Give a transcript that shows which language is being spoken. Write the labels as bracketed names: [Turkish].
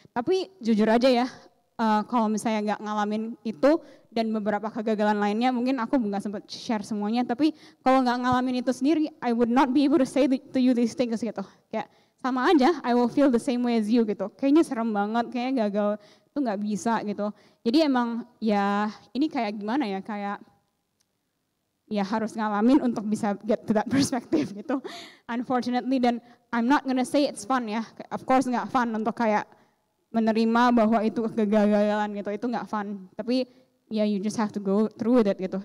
[Indonesian] Tapi jujur aja ya kalau misalnya gak ngalamin itu dan beberapa kegagalan lainnya, mungkin aku gak sempat share semuanya, tapi kalau gak ngalamin itu sendiri, [English] I would not be able to say to you these things [Indonesian] gitu. Kayak sama aja, [English] I will feel the same way as you [Indonesian] gitu. Kayaknya serem banget, kayaknya gagal itu gak bisa gitu. Jadi emang ya ini kayak gimana ya, kayak ya harus ngalamin untuk bisa [English] get to that perspective [Indonesian] gitu. [English] Unfortunately, dan I'm not gonna say it's fun ya. Of course [Indonesian] gak fun untuk kayak menerima bahwa itu kegagalan gitu, itu gak fun. Tapi ya [English] yeah, you just have to go through with it gitu.